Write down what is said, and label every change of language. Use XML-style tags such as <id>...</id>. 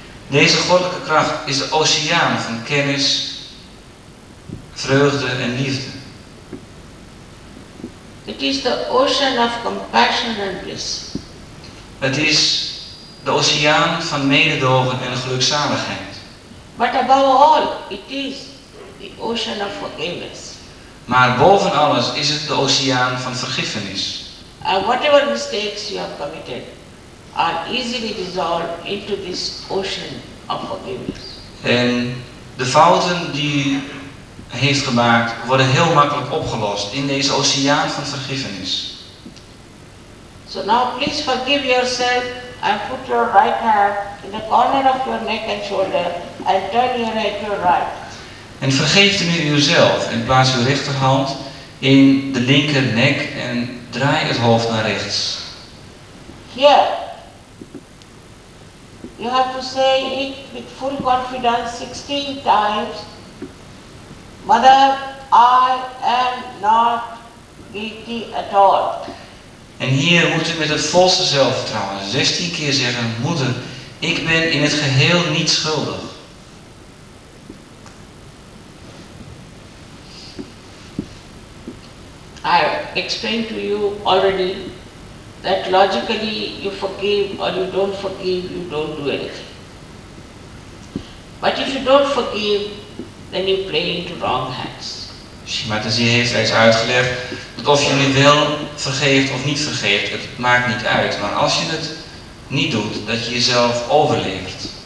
<nl>Deze goddelijke kracht is de oceaan van kennis, vreugde en liefde.</nl> <en>It is the ocean of compassion and bliss.</en> <nl>Het is de oceaan van mededogen en gelukzaligheid.</nl> <en>But above all, it is the ocean of forgiveness.</en> <nl>Maar boven alles is het de oceaan van vergiffenis.</nl> <en>And whatever mistakes you have committed are easily dissolved into this ocean.</en> <nl>En de fouten die u heeft gemaakt worden heel makkelijk opgelost in deze oceaan van vergiffenis.</nl> <en>So now please forgive yourself and put your right hand in the corner of your neck and shoulder and turn your head to your right.</en> <nl>En vergeef nu uzelf en plaats uw rechterhand in de linker nek en draai het hoofd naar rechts.</nl> <en>Here. You have to say it with full confidence 16 times, Mother, I am not guilty at all.</en> <nl>En hier moet u met het volste zelfvertrouwen 16 keer zeggen, Moeder, ik ben in het geheel niet schuldig.</nl> <en>I explained to you already that logically you forgive or you don't forgive, you don't do anything. But if you don't forgive, then you play into wrong hands.</en> <nl>Shimataji heeft reeds uitgelegd dat of je nu wel vergeeft of niet vergeeft, het maakt niet uit. Maar als je het niet doet, dat je jezelf overlevert.</nl>